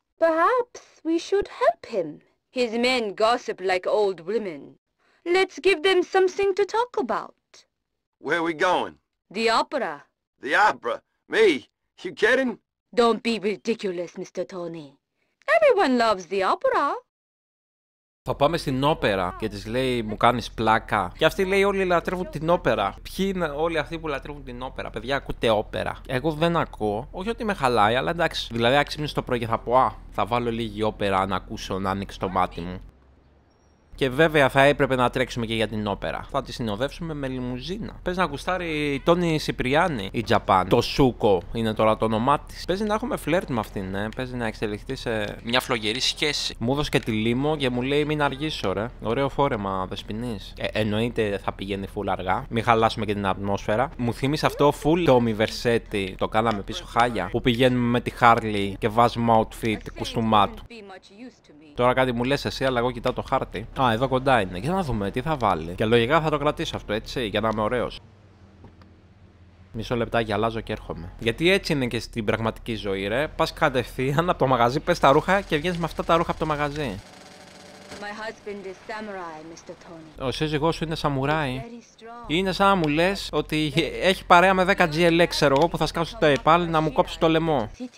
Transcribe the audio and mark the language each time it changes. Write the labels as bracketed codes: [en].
[en] Perhaps we should help him. His men gossip like old women. Let's give them something to talk about. Where are we going? The opera. The opera? Me? You kidding? Don't be ridiculous, Mr. Tony. Everyone loves the opera. [el] Θα πάμε στην όπερα και της λέει μου κάνεις πλάκα. Και αυτή λέει όλοι λατρεύουν την όπερα. Ποιοι είναι όλοι αυτοί που λατρεύουν την όπερα? Παιδιά, ακούτε όπερα? Εγώ δεν ακούω. Όχι ότι με χαλάει, αλλά εντάξει. Δηλαδή αν ξυπνήσω το πρωί και θα πω α, θα βάλω λίγη όπερα να ακούσω, να ανοίξω το μάτι μου. Και βέβαια θα έπρεπε να τρέξουμε και για την όπερα. Θα τη συνοδεύσουμε με λιμουζίνα. Πες να γουστάρει η Τόνι Σιπριάνη, η Japan. Το Σούκο είναι τώρα το όνομά τη. Παίζει να έχουμε φλερτ με αυτήν, ναι. Παίζει να εξελιχθεί σε μια φλογερή σχέση. Μου έδωσε και τη λίμο και μου λέει μην αργήσω, ρε. Ωραίο φόρεμα, Δεσποινή. Εννοείται θα πηγαίνει φουλ αργά. Μην χαλάσουμε και την ατμόσφαιρα. Μου θύμισε αυτό φουλ Τόμι Βερσέτη. Το κάναμε πίσω χάλια. Που πηγαίνουμε με τη Χάρλι και βάζουμε outfit κουστούμάτου. Τώρα κάτι μου λες εσύ, αλλά εγώ κοιτάω το χάρτη. Α, εδώ κοντά είναι. Για να δούμε τι θα βάλει. Και λογικά θα το κρατήσω αυτό, έτσι, για να είμαι ωραίος. Μισό λεπτάκι, αλλάζω και έρχομαι. Γιατί έτσι είναι και στην πραγματική ζωή, ρε. Πας κατευθείαν από το μαγαζί, πες τα ρούχα και βγαίνεις με αυτά τα ρούχα από το μαγαζί. [en] My husband is samurai, Mr. Tony. [el] Ο σύζυγός σου είναι σαμουράι. Είναι σαν να μου λες ότι έχει παρέα με 10 GLX, ξέρω εγώ, που θα σκάσω το Ιππάλ να μου κόψει το λαιμό.